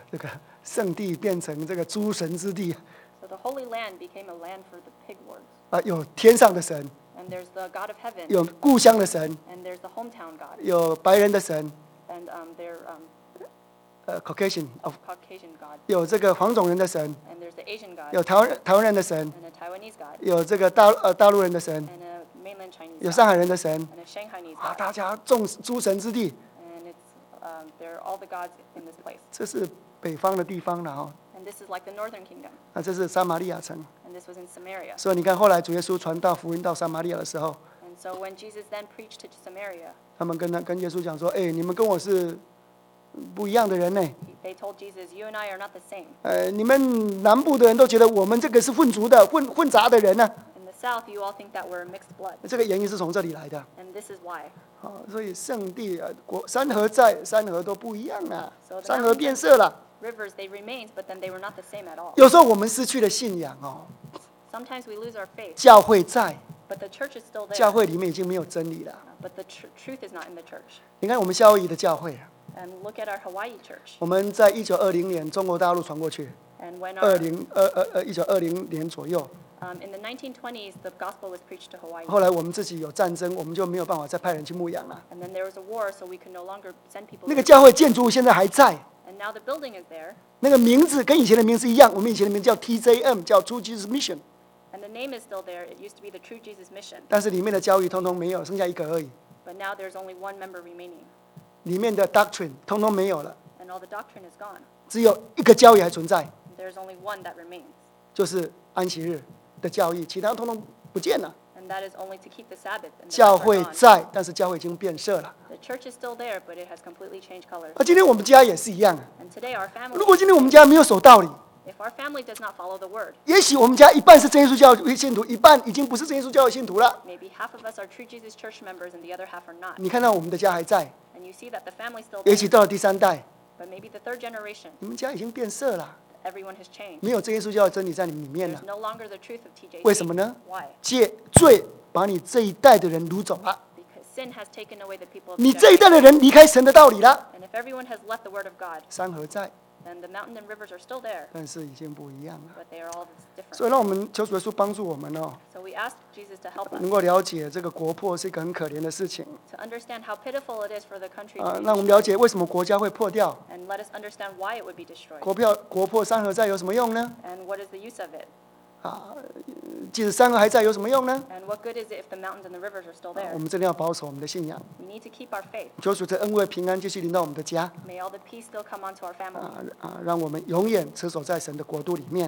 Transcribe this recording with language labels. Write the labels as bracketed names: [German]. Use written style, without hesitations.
[Chinese] 这个圣地变成这个诸神之地。 [English] So the holy land became a land for the pig lords. [Chinese] 啊，有天上的神。 [English] And there's the God of heaven. [Chinese] 有故乡的神。 [English] And there's the hometown God. [Chinese] 有白人的神。 [English] And they're Caucasian, of Caucasian God. [Chinese] 有这个黄种人的神。 [English] And there's the Asian God. [Chinese] 有台湾人的神。 [English] And a Taiwanese God. [Chinese] 有这个大陆人的神。 [English] And a mainland Chinese God. [Chinese] 有上海人的神。 [English] And a Shanghainese God. [Chinese] 啊，大家众诸神之地。 [English] And it's they're all the gods in this place. [Chinese] 这是北方的地方了哈。 [English] And this is like the northern kingdom. [Chinese] 啊，这是撒玛利亚城。 [English] And this was in Samaria. [Chinese] 所以你看，后来主耶稣传道福音到撒玛利亚的时候。 [English] And so when Jesus then preached to Samaria. [Chinese] 他们跟耶稣讲说，哎，你们跟我是。不一样的人呢。 [English] They told Jesus, "You and I are not the same." [Chinese] 你们南部的人都觉得我们这个是混族的、混杂的人呢、啊。 [English] In the south, you all think that we're mixed blood. [Chinese] 这个原因是从这里来的。 [English] And this is why. [Chinese] 好，所以圣地啊，山河在，山河都不一样啊。 [English] So、 [Chinese] 山河变色了。 [English] Rivers they remained, but then they were not the same at all. [Chinese] 有时候我们失去了信仰哦。 [English] Sometimes we lose our faith. [Chinese] 教会在。 [English] But the church is still there. [Chinese] 教会里面已经没有真理了。 [English] But the truth is not in the church. [Chinese] 你看我们夏威夷的教会。 [English] And look at our Hawaii church. [Chinese] 我们在1920年中国大陆传过去。 [English] And when our [Chinese] 1920年左右。 [English] In the 1920s, the gospel was preached to Hawaii. [Chinese] 后来我们自己有战争，我们就没有办法再派人去牧养了。 [English] And then there was a war, so we could no longer send people. [Chinese] 那个教会建筑现在还在。 [English] And now the building is there. [Chinese] 那个名字跟以前的名字一样，我们以前的名字叫 TJM， 叫 True Jesus Mission。 [English] And the name is still there. It used to be the True Jesus Mission. [Chinese] 但是里面的教义通通没有，剩下一个而已。 [English] But now there's only one member remaining. [Chinese] 里面的 doctrine 通通没有了， [English] and all the doctrine is gone. [Chinese] 只有一个教义还存在， [English] There's only one that remains. [Chinese] 就是安息日的教义，其他通通不见了。 [English] And that is only to keep the Sabbath, and [Chinese] 教会在，但是教会已经变色了。 [English] The church is still there, but it has completely changed colors. [Chinese] 今天我们家也是一样。 [English] And today our family, [Chinese] 如果今天我们家没有守道理， [English] if our family does not follow the word, [Chinese] 也许我们家一半是真耶稣教会信徒，一半已经不是真耶稣教会信徒了。 [English] Maybe half of us are true Jesus church members, and the other half are not. [Chinese] 你看到我们的家还在。 [English] And you see that the family still there, [Chinese] 也许到了第三代， [English] but maybe the third generation, [Chinese] 你们家已经变色了。 [English] Everyone has changed. [Chinese] 没有真耶稣教的真理在你里面了。 [English] There's no longer the truth of TJC. [Chinese] 为什么呢？ [English] Why? [Chinese] 罪把你这一代的人掳走了。 [English] Because sin has taken away the people of God. [Chinese] 你这一代的人离开神的道理了。 [English] And if everyone has left the word of God, [Chinese] 山河在。 [English] And the mountain and rivers are still there. [Chinese] 但是已经不一样了。 [English] But they are all different. [Chinese] 所以让我们求主耶稣帮助我们哦。 [English] So we ask Jesus to help us. [Chinese] 能够了解这个国破是一个很可怜的事情。 [English] To understand how pitiful it is for the country. [Chinese] 让我们了解为什么国家会破掉。 [English] And let us understand why it would be destroyed. [Chinese] 国破山河在有什么用呢？ [English] And what is the use of it? [Chinese] 即使山河还在有什么用呢？ [English] And what good is it if the mountains and the rivers are still there? [Chinese] 我们真的要保守我们的信仰。 [English] We need to keep our faith. [Chinese] 求主的恩惠平安继续临到我们的家。 [English] May all the peace still come onto our family. [Chinese] 让我们永远持守在神的国度里面。